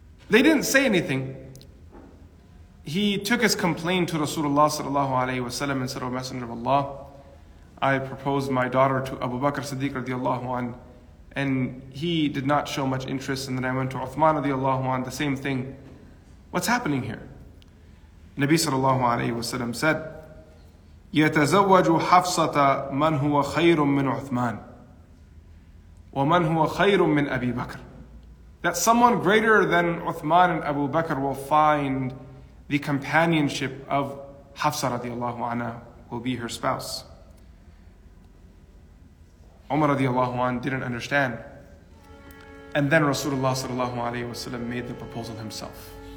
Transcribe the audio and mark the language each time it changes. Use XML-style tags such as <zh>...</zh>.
<en>They didn't say anything. He took his complaint to Rasulullah sallallahu alayhi wa sallam and said, O Messenger of Allah, I proposed my daughter to Abu Bakr Siddiq radiallahu anhu, and he did not show much interest. And then I went to Uthman radiallahu anhu, the same thing. What's happening here?</en> <ar>Nabi sallallahu alayhi wa sallam said, يَتَزَوَّجُ حَفْصَةَ مَنْ هُوَ خَيْرٌ مِّنْ عُثْمَانِ وَمَنْ هُوَ خَيْرٌ مِّنْ أَبِي بَكْرِ.</ar> <en>That someone greater than Uthman and Abu Bakr will find the companionship of Hafsa radiallahu anha, will be her spouse. Umar radiallahu anha didn't understand. And then Rasulullah sallallahu alayhi wa sallam made the proposal himself.</en>